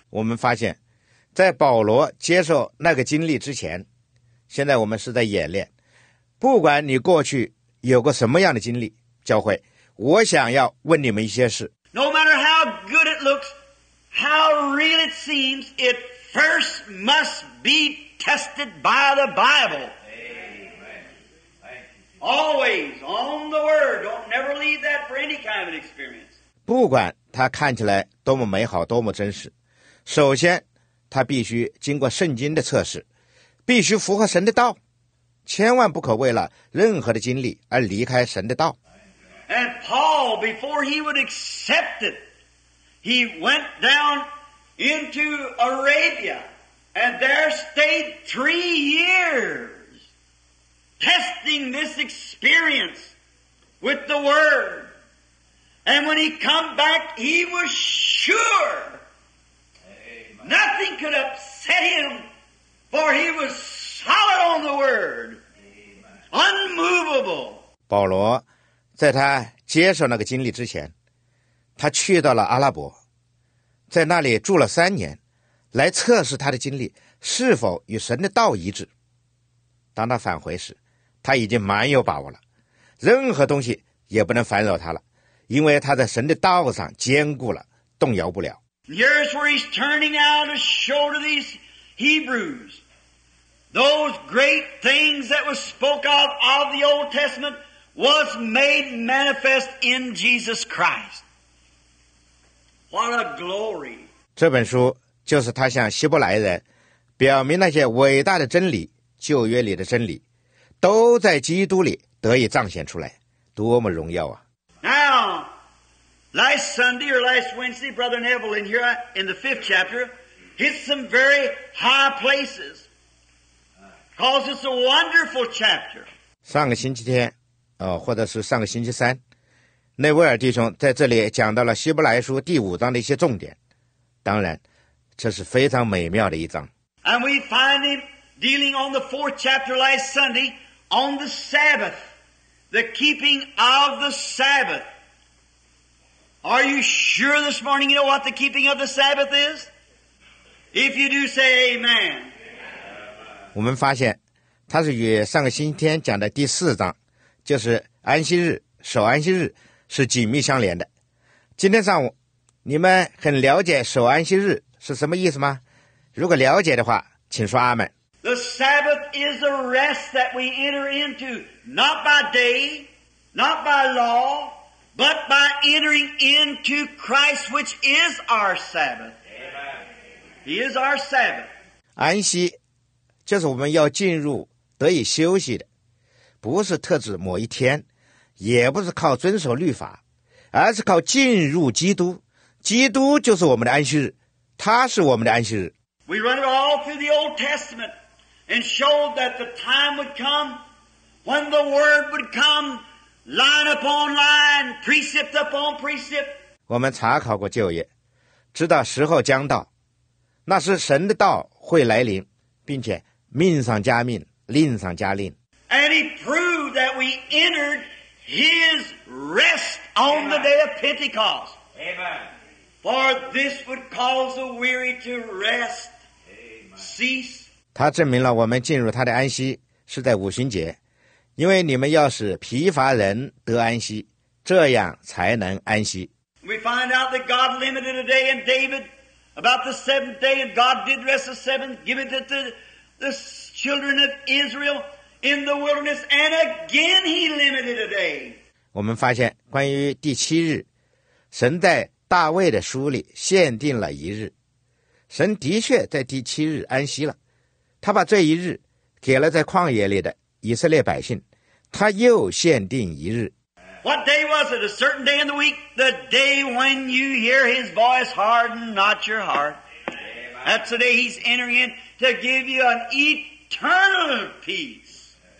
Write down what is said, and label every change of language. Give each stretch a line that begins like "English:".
Chinese: 我们发现在保罗接受那个经历之前，现在我们是在演练，不管你过去有过什么样的经历，教会，我想要问你们一些事。
English: No matter how good it looks, how real it seems, it first must be tested by the Bible. Amen. Always on the word. Don't never leave that for any kind of an experience.
Chinese: 不管它看起来多么美好，多么真实，首先它必须经过圣经的测试，必须符合神的道，千万不可为了任何的经历而离开神的道。
English: And Paul, before he would accept it, he went down into Arabia and there stayed 3 years testing this experience with the word. And when he come back, he was sure. Amen. Nothing could upset him, for he was solid on the word. Unmovable.
Chinese: 保罗在他接受那个经历之前，他去到了阿拉伯，在那里住了3年，来测试他的经历是否与神的道一致。当他返回时，他已经蛮有把握了，任何东西也不能烦扰他了。因为他在神的道上坚固了，动摇不了。
English: Here's where he's turning out to show to these Hebrews those great things that was spoke of the Old Testament was made manifest in Jesus Christ. What a glory!
Chinese: 这本书就是他向希伯来人表明那些伟大的真理，旧约里的真理，都在基督里得以彰显出来，多么荣耀啊！
English: Now, last Sunday or last Wednesday, Brother Neville in here in the 5th chapter hit some very high places. Because it's a wonderful chapter.
Chinese: 上个星期天，或者是上个星期三，内维尔弟兄在这里讲到了希伯来书第五章的一些重点。当然，这是非常美妙的一章。
English: And we find him dealing on the 4th chapter last Sunday on the Sabbath. The keeping of the Sabbath. Are you sure this morning you know what the keeping of the Sabbath is? If you do, say amen.
Chinese: 我们发现他是与上个星期天讲的第四章，就是安息日、守安息日是紧密相连的。今天上午你们很了解守安息日是什么意思吗？如果了解的话请说阿们。
English: The Sabbath is a rest that we enter into not by day, not by law, but by entering into Christ, which is our Sabbath. He is our Sabbath.
Chinese: 安息就是我们要进入得以休息的，不是特指某一天，也不是靠遵守律法，而是靠进入基督。基督就是我们的安息日，他是我们的安息日。
English: We run it all through the Old Testament and showed that the time would come when the Word would come line upon line, precept upon precept.
Chinese: 我们查考过旧约，知道时候将到，那时神的道会来临，并且命上加命，令上加令。
English: And he proved that we entered his rest on the day of Pentecost. Amen. For this would cause the weary to rest, cease.
Chinese: 他证明了我们进入他的安息是在五旬节，因为你们要使疲乏人得安息，这样才能安息。
English: We find out that God limited a day in David about the seventh day, and God did rest the seventh, give it to the children of Israel in the wilderness, and again he limited a day.
Chinese: 我们发现关于第七日，神在大卫的书里限定了一日，神的确在第七日安息了，他把这一日给了在旷野里的以色列百姓，他又限定一日。
English: What day was it? A certain day in the week, the day when you hear his voice, harden not your heart. That's the day he's entering in to give you an eternal peace.